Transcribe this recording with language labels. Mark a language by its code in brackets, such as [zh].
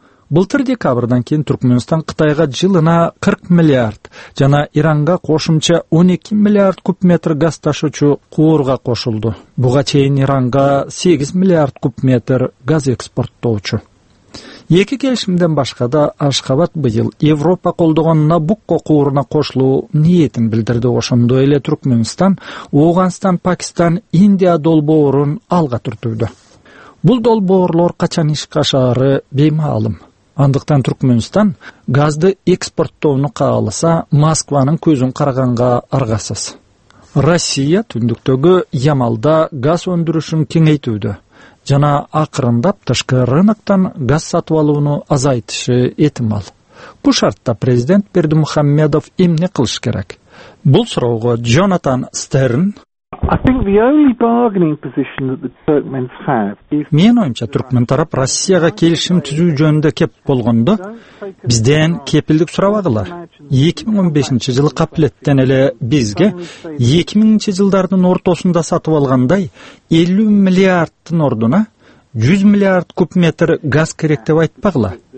[ky] Былтыр декабрдан кийин Түркмөнстан Кытайга жылына 40 миллиард жана Иранга кошумча 12 миллиард куб метр газ ташуучу куурга кошулду. Буга чейин Иранга 8 миллиард куб метр газ экспорттоочу. Эки келишимден башка да Ашхабад быйыл Европа колдогон Набукко кууруна кошулуу ниетин билдирди. Ошондой эле Түркмөнстан, Ооганстан, Пакистан, Индия долбоорун алга түртүүдө. Бул долбоорлор качан ишке ашары беймаалым. Андыктан Түркмөнстан газды экспорттоону кааласа, Москванын көзүн караганга аргасыз. Россия түндүктөгү Ямалда газ өндүрүшүн кеңейтүүдө жана акырындап тышкы рынктан газ сатып алууну азайтышы этимал. Бул шартта президент Бердимухаммедов эмне кылыш керек? Бул суроого Джонатан Стерн: [en] I think the only bargaining position that the Turkmens have is [ky] Мен оюмча түркмөн тарап Россияга келишим түзүү жөнүндө кеп болгондо бизден кепилдик сурабагылар. 2015 жылы каплеттен эле бизге 2000 жылдардын ортосунда сатып алгандай 50 миллиардтын ордуна 100 миллиард куб метр газ керек деп айтпагыла.